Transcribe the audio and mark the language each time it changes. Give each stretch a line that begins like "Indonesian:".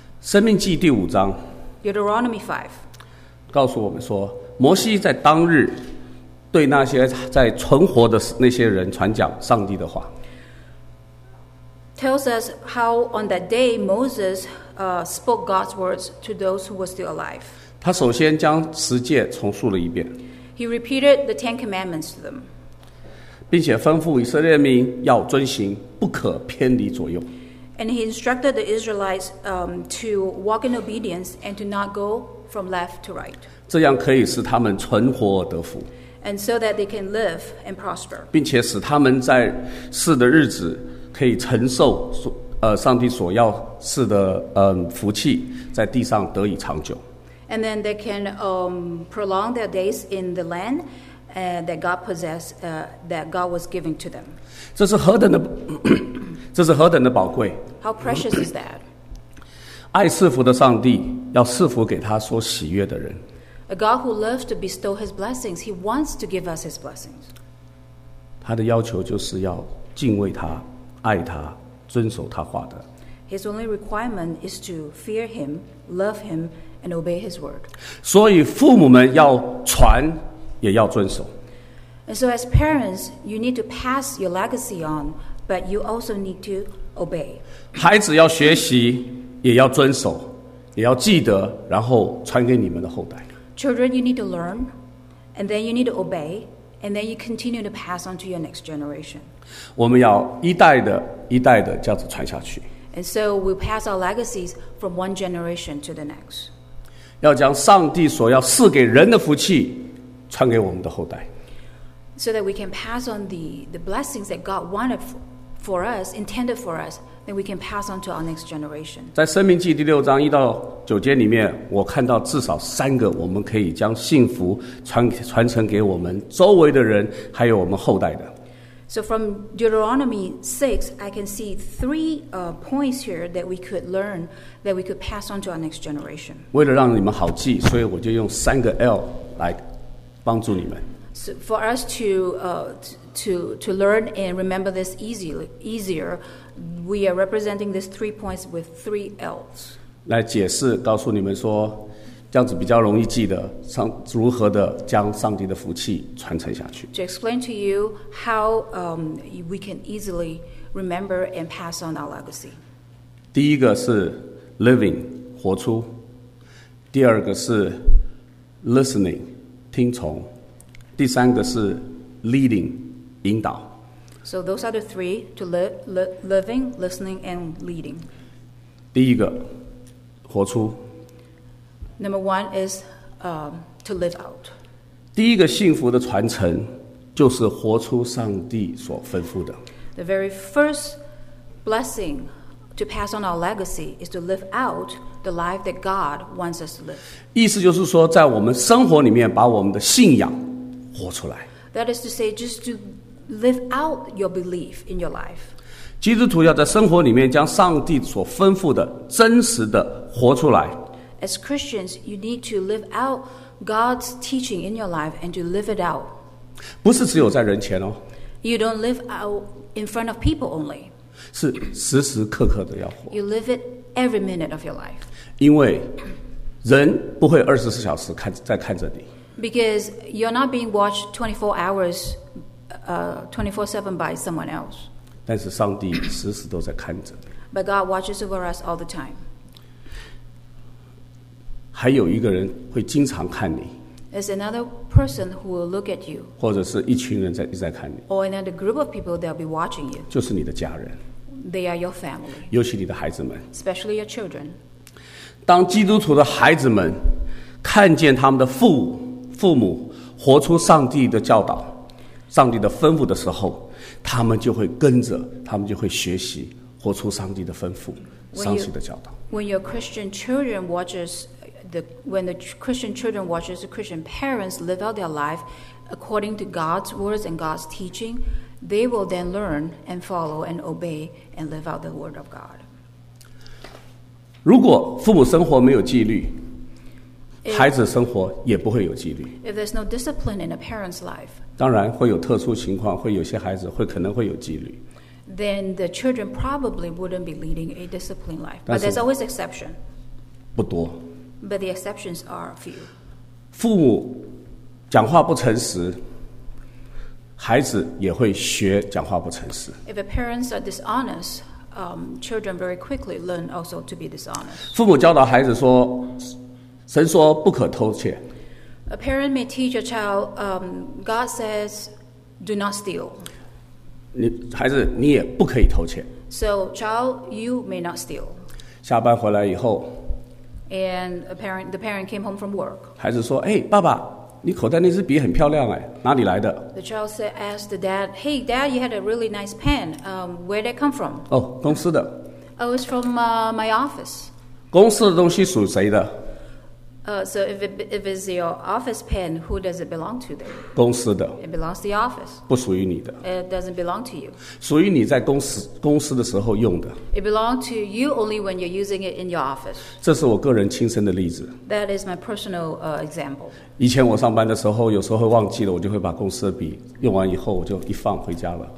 Chinese: 生命记第五章
English: Deuteronomy 5
Chinese: 告诉我们说摩西在当日对那些在存活的那些人传讲上帝的话
English: Tells us how on that day Moses spoke God's words to those who were still alive.
Chinese: 他首先将十诫重述了一遍。
English: He repeated the Ten Commandments to them.
Chinese: 并且吩咐以色列民要遵行，不可偏离左右。
English: And he instructed the Israelites to walk in obedience and to not go from left to right.
Chinese: 这样可以使他们存活而得福。
English: And so that they can live and prosper.
Chinese: 并且使他们在世的日子。可以承受上帝所要赐的福气，在地上得以长久。
English: And then they can prolong their days in the land that God possessed, that God was giving to them.
Chinese: 这是何等的，这是何等的宝贵
English: ！How precious is that?
Chinese: 爱赐福的上帝要赐福给他所喜悦的人。
English: A God who loves to bestow His blessings, He wants to give us His blessings.
Chinese: 他的要求就是要敬畏他。爱他，遵守他话的。
English: His only requirement is to fear him, love him, and obey his word.
Chinese: 所以父母们要传，也要遵守。
English: And so as parents, you need to pass your legacy on, but you also need to obey.
Chinese: 孩子要学习，也要遵守，也要记得，然后传给你们的后代。
English: Children, you need to learn, and then you need to obey. And then you continue to pass on to your next generation.
Chinese: 我们要一代的一代的这样子传下去。
English: And so we pass our legacies from one generation to the next.
Chinese: 要将上帝所要赐给人的福气传给我们的后代。
English: So that we can pass on the blessings that God wanted for us, intended for us, then we can pass on to our next generation.
Chinese: 在生命记第六章一到九诫里面，我看到至少三个，我们可以将幸福传承给我们周围的人，还有我们后代的。
English: So from Deuteronomy 6, I can see three points here that we could learn, that we could pass on to our next generation.
Chinese: 为了让你们好记，所以我就用三个 L 来帮助你们。
English: So for us to learn and remember this easier, we are representing these three points with three L's.
Chinese: 来解释，告诉你们说，这样子比较容易记得，如何的将上帝的福气传承下去。
English: To explain to you how we can easily remember and pass on our legacy.
Chinese: 第一个是 living 活出，第二个是 listening 听从，第三个是 leading 引导。
English: So those are the three: to living, listening, and leading.
Chinese: 第一个，活出。
English: Number one is to live out.
Chinese: 第一个幸福的传承就是活出上帝所吩咐的。
English: The very first blessing to pass on our legacy is to live out the life that God wants us to live.
Chinese: 意思就是说，在我们生活里面把我们的信仰活出来。
English: That is to say, just to live out your belief in your life.
Chinese: 基督徒要在生活里面将上帝所吩咐的真实的活出来。
English: As Christians, you need to live out God's teaching in your life and to live it out.
Chinese: 不是只有在人前哦。
English: You don't live out in front of people only.
Chinese: 是时时刻刻的要活。
English: You live it every minute of your life.
Chinese: 因为人不会二十四小时在看着你。
English: Because you're not being watched 24 hours, 24/7 by someone else.
Chinese: 但是上帝时时都在看着。
English: But God watches over us all the time.
Chinese: 还有一个人会经常看你
English: ，is another person who will look at you，
Chinese: 或者是一群人在看你
English: ，or another group of people that'll be watching you，
Chinese: 就是你的家人
English: ，they are your family，
Chinese: 尤其你的孩子们
English: ，especially your children。
Chinese: 当基督徒的孩子们看见他们的父母活出上帝的教导、上帝的吩咐的时候，他们就会跟着，他们就会学习活出上帝的吩咐、上帝的教导。
English: When your Christian children watches when the Christian children watches the Christian parents live out their life according to God's words and God's teaching, they will then learn and follow and obey and live out the word of God.
Chinese: 如果父母生活没有纪律，孩子生活也不会有纪律。
English: If there's no discipline in a parent's life,
Chinese: 当然会有特殊情况，会有些孩子会可能会有纪律。
English: Then the children probably wouldn't be leading a disciplined life, but there's always exception.
Chinese: 不多。
English: But the exceptions are few.
Chinese: 父母讲话不诚实，孩子也会学讲话不诚实。
English: If the parents are dishonest, children very quickly learn also to be dishonest.
Chinese: 父母教导孩子说，神说不可偷窃。
English: A parent may teach a child, God says, do not steal.
Chinese: 你孩子，你也不可以偷窃。
English: So, child, you may not steal.
Chinese: 下班回来以后。
English: And the parent came home from work.
Chinese: 孩子说，哎，爸爸，你口袋那支笔很漂亮哎，哪里来的？
English: The child said, asked the dad, hey, dad, you had a really nice pen. Where did it come from?
Chinese: 哦，公司的。
English: Oh, it's from my office.
Chinese: 公司的东西属谁的？
English: So if it's your office pen, who does it belong to then?
Chinese: 公司的。
English: It belongs to the office.
Chinese: 不属于你的。
English: It doesn't belong to you.
Chinese: 属于你在公司的时候用的。
English: It belongs to you only when you're using it in your office.
Chinese: 这是我个人亲身的例子。
English: That is my personal example.
Chinese: 以前我上班的时候，有时候会忘记了，我就会把公司的笔用完以后，我就一放回家了。